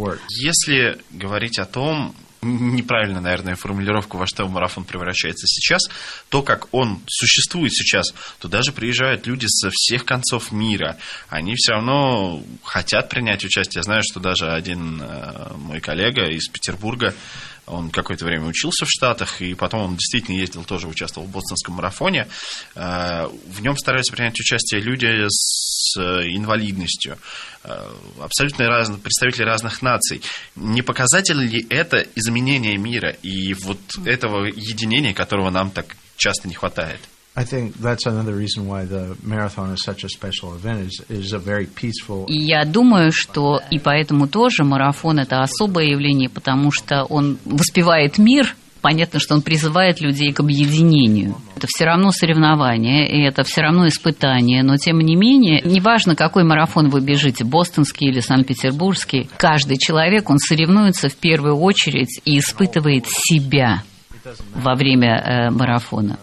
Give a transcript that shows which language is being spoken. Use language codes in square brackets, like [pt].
[ru] Если говорить о том, неправильно, наверное, формулировка, во что марафон превращается сейчас, то, как он существует сейчас, то даже приезжают люди со всех концов мира, они все равно хотят принять участие. Я знаю, что даже один мой коллега из Петербурга, он какое-то время учился в Штатах, и потом он действительно ездил, тоже участвовал в бостонском марафоне. В нем стараются принять участие люди с инвалидностью, абсолютно разные, представители разных наций. Не показатель ли это изменение мира и вот этого единения, которого нам так часто не хватает? [en] I think that's another reason why the marathon is such a special event. It's a very peaceful. [ru] И я думаю, что и поэтому тоже марафон это особое явление, потому что он воспевает мир. Понятно, что он призывает людей к объединению. Это все равно соревнование, и это все равно испытание. Но, тем не менее, неважно, какой марафон вы бежите, бостонский или санкт-петербургский, каждый человек, он соревнуется в первую очередь и испытывает себя во время марафона.